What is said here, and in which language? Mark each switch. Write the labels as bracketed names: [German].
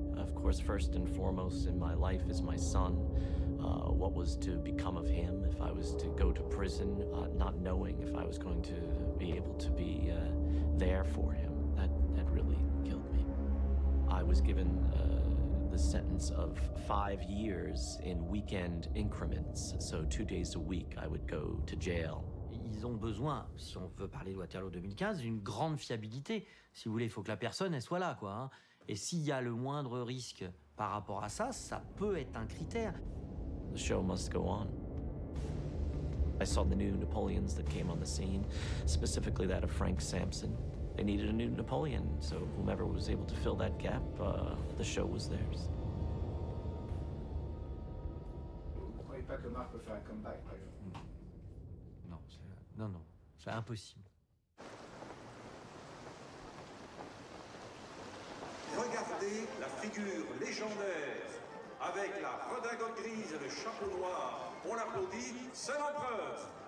[English] Of course, first and foremost in my life is my son. What was to become of him if I was to go to prison, not knowing if I was going to be able to be there for him. That really killed me. I was given the sentence of 5 years in weekend increments, so 2 days a week I would go to jail. [French] Ils ont besoin, si on veut parler de Waterloo 2015, d'une grande fiabilité. Si vous voulez, il faut que la personne elle soit là, quoi. Hein. Et s'il y a le moindre risque par rapport à ça, ça peut être un critère. [English] The show must go on. I saw the new Napoleons that came on the scene, specifically that of Frank Sampson. They needed a new Napoleon, so whomever was able to fill that gap, the show was theirs. [French] Vous croyez pas que Marc peut faire un comeback, par exemple? Non, c'est... Non, non, c'est impossible. Regardez la figure légendaire. Avec la redingote grise et le chapeau noir, on l'applaudit, c'est l'empereur!